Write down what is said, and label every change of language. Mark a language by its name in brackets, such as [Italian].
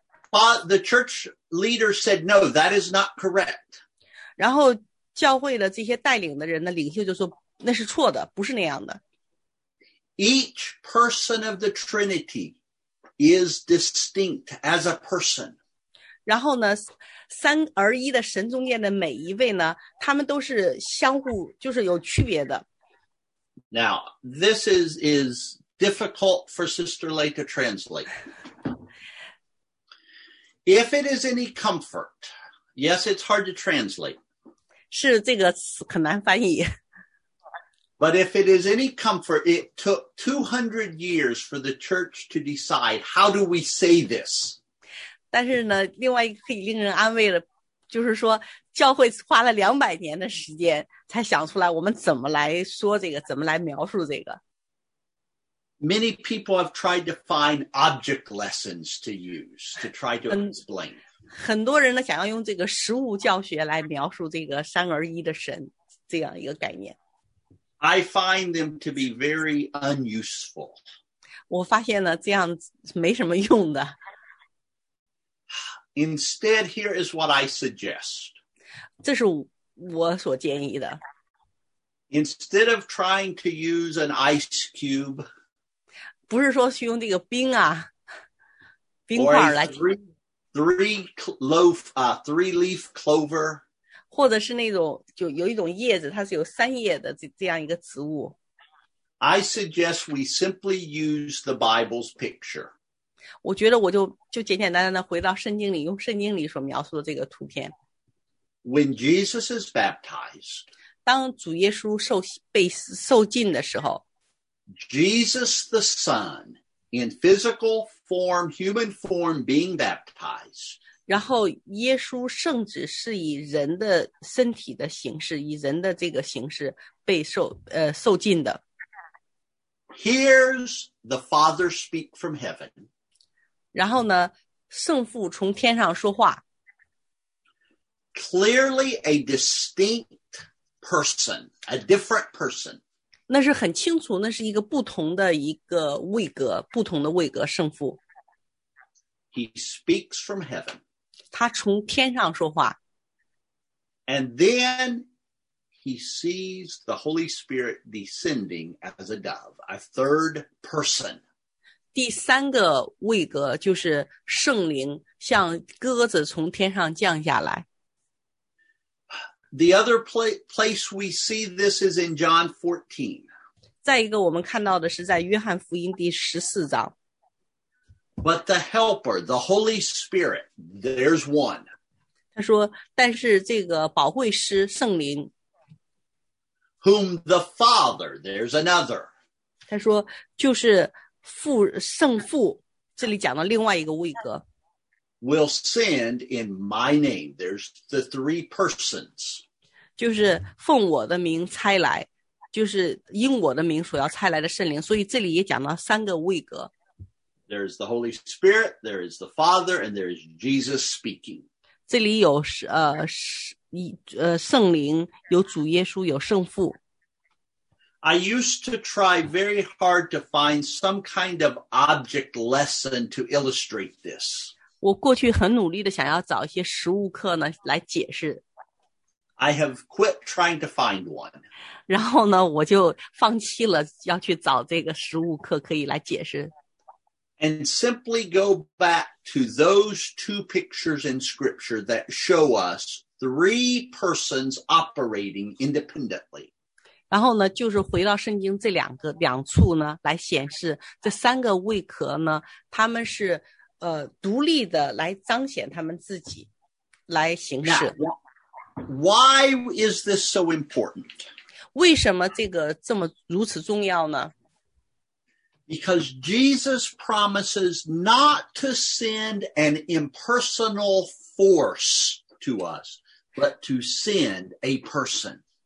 [English] But the church leader said, no, that is not correct. [Chinese] 然后教会的这些带领的人的领袖就说那是错的不是那样的。 [English] Each person of the Trinity is distinct as a person. [Chinese] 然后呢三而一的神中间的每一位呢他们都是相互就是有区别的。 [English] Now, this is difficult for Sister Lay to translate. If it is any comfort, yes, it's hard to translate. [Chinese] 是这个词很难翻译。 [English] But if it is any comfort, it took 200 years for the church to decide how do we say this? [Chinese] 但是呢另外一个可以令人安慰的就是说教会花了200年的时间才想出来我们怎么来说这个怎么来描述这个。 [English] many people have tried to find object lessons to use to try to explain. [Chinese] 很多人呢想要用这个实物教学来描述这个三而一的神这样一个概念。 [English] I find them to be very unuseful. [Chinese] 我发现呢这样没什么用的。 [English] Instead, here is what I suggest. [Chinese] 这是我所建议的。 [English] Instead of trying to use an ice cube, [Chinese] 不是说去用这个冰啊冰块来 [English] three leaf clover, [Chinese] 或者是那种就有一种叶子它是有三叶的这样一个植物。 [English] I suggest we simply use the Bible's picture. [Chinese] 我觉得我就简简单单的回到圣经里用圣经里所描述的这个图片。 [English] When Jesus is baptized, [Chinese] 当主耶稣受浸的时候 [English] Jesus the Son, in physical form, human form being baptized. [Chinese] 然后耶稣圣子是以人的身体的形式，以人的这个形式被受浸的。 [English] Here's the Father speak from heaven. [Chinese] 然后呢，圣父从天上说话。 [English] Clearly a distinct person, a different person. [Chinese] 那是很清楚，那是一个不同的一个位格，不同的位格，圣父。 [English] He speaks from heaven. [Chinese] 他从天上说话。 [English] And then he sees the Holy Spirit descending as a dove, a third person. [Chinese] 第三个位格就是圣灵像鸽子从天上降下来。 [English] The other place we see this is in John 14. [Chinese] 再一个我们看到的是在约翰福音第十四章。 [English] But the Helper, the Holy Spirit, there's one. [Chinese] 他说，但是这个保惠师圣灵。 [English] Whom the Father, there's another. [Chinese] 他说，就是父圣父，这里讲的另外一个位格。 [English] Will send in my name. There's the three persons. [Chinese] 就是奉我的名差来，就是因我的名所要差来的圣灵。所以这里也讲了三个位格。 [English] There is the Holy Spirit, there is the Father, and there is Jesus speaking. [Chinese] 这里有圣灵，有主耶稣，有圣父。 [English] I used to try very hard to find some kind of object lesson to illustrate this. [Chinese] 我过去很努力的想要找一些实物课呢来解释。 [English] I have quit trying to find one. [Chinese] 然后呢，我就放弃了要去找这个实物课可以来解释。 [English] And simply go back to those two pictures in scripture that show us three persons operating independently. [Chinese] 然后呢，就是回到圣经这两处呢，来显示这三个位格呢，他们是独立的来彰显他们自己，来行事。 [English] Now, why is this so important? [Chinese] 为什么这个这么如此重要呢？ [English] Because Jesus promises not to send an impersonal force to us, but to send a person.